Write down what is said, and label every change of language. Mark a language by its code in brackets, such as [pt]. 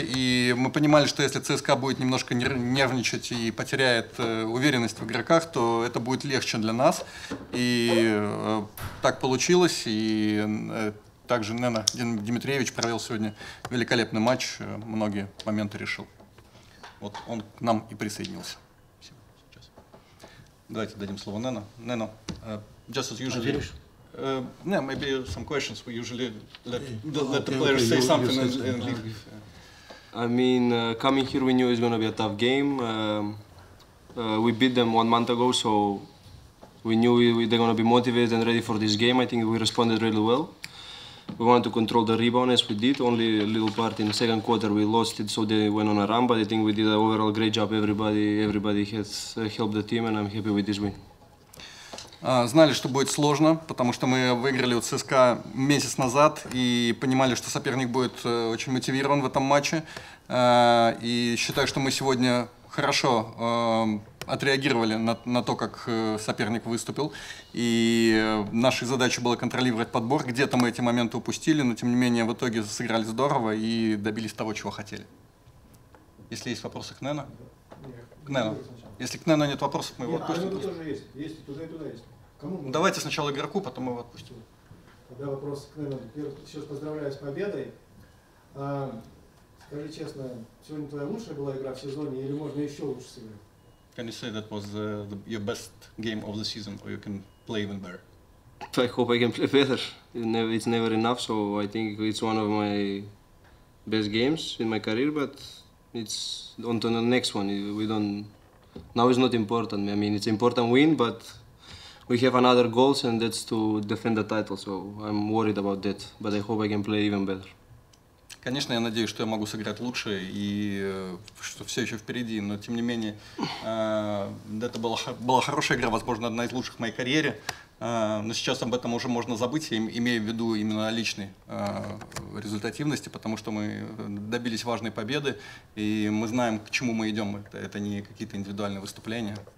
[ru] И мы понимали, что если ЦСКА будет немножко нервничать и потеряет уверенность в игроках, то это будет легче для нас. И так получилось. И также Нена Димитриевич провел сегодня великолепный матч, многие моменты решил. Вот он к нам и присоединился. Давайте дадим слово Нена. [en] Нена, just as usual, yeah, maybe some questions. We usually let the players say something and leave. I mean, coming here we knew it's going to be a tough game. We beat them 1 month ago, so we knew they're going to be motivated and ready for this game. I think we responded really well. We wanted to control the rebound as we did. Only a little part in the second quarter we lost it, so they went on a run. But I think we did an overall great job. Everybody has helped the team, and I'm happy with this win. [ru] Знали, что будет сложно, потому что мы выиграли у ЦСКА месяц назад и понимали, что соперник будет очень мотивирован в этом матче. И считаю, что мы сегодня хорошо отреагировали на то, как соперник выступил. И нашей задачей было контролировать подбор. Где-то мы эти моменты упустили, но тем не менее в итоге сыграли здорово и добились того, чего хотели. Если есть вопросы к Нену? К Нену. Если к Нену нет вопросов, мы его отпустим. А Нену тоже есть и туда, и туда есть. Кому? Давайте сначала игроку, потом мы его отпустим. Тогда вопрос к Нену. Еще раз поздравляю с победой. Скажи честно, сегодня твоя лучшая была игра в сезоне или можно еще лучше сыграть? [en] Can you say that was your best game of the season, or you can play even better? I hope I can play better. It's never enough, so I think it's one of my best games in my career. But it's on to the next one. Now it's not important. I mean, it's an important win, but we have another goals, and that's to defend the title. So I'm worried about that. But I hope I can play even better. [ru] Конечно, я надеюсь, что я могу сыграть лучше и что все еще впереди, но тем не менее, это была хорошая игра, возможно, одна из лучших в моей карьере, но сейчас об этом уже можно забыть, имея в виду именно о личной результативности, потому что мы добились важной победы, и мы знаем, к чему мы идем, это не какие-то индивидуальные выступления.